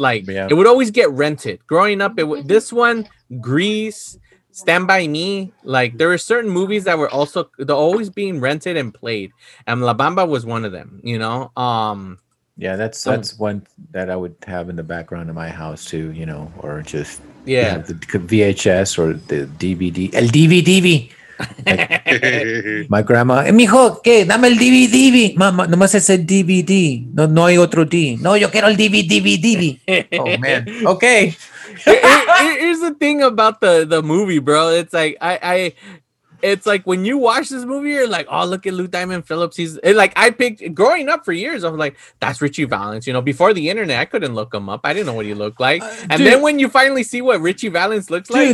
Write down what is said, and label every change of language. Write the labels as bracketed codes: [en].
[en] Like, yeah, it would always get rented growing up. This one, Grease, Stand By Me, like, there were certain movies that were also, they're always being rented and played, and La Bamba was one of them, you know. Yeah, that's one that I would have in the background of my house too, you know, or just, yeah, you know, the VHS or the DVD, [es] el DVD. [en] Like, my grandma, hey, [es] mijo, que dame el DVD, mama, nomás ese DVD, no, no hay otro D, no, yo quiero el DVD, DVD. [en] Oh man, okay. Here's the thing about the movie, bro. It's like I it's like when you watch this movie, you're like, oh, look at Lou Diamond Phillips. He's like, I picked, growing up for years, I'm like, that's Richie Valens. You know, before the internet, I couldn't look him up. I didn't know what he looked like. And dude, then when you finally see what Richie Valens looks like,